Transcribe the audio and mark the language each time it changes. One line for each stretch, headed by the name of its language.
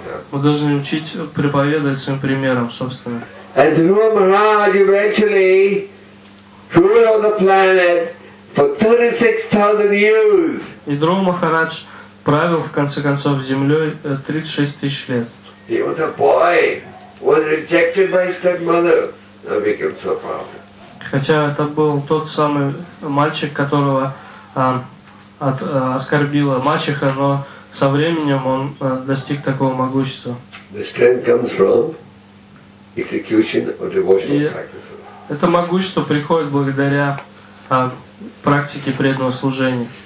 Russian: Мы должны учить, проповедовать своим примером, собственно.
English: And Dhruva Maharaj eventually, ruler of the planet for 36,000 years.
Russian: И Дрова Махарадж правил в конце концов землей 36 тысяч лет.
English: He was a boy, was rejected by his stepmother, and became so proud.
Russian: Хотя это был тот самый мальчик, которого оскорбила мачеха, но со временем он достиг такого могущества.
English: The strength comes from execution of devotional practices.
Russian: Это могущество приходит благодаря практике преданного служения.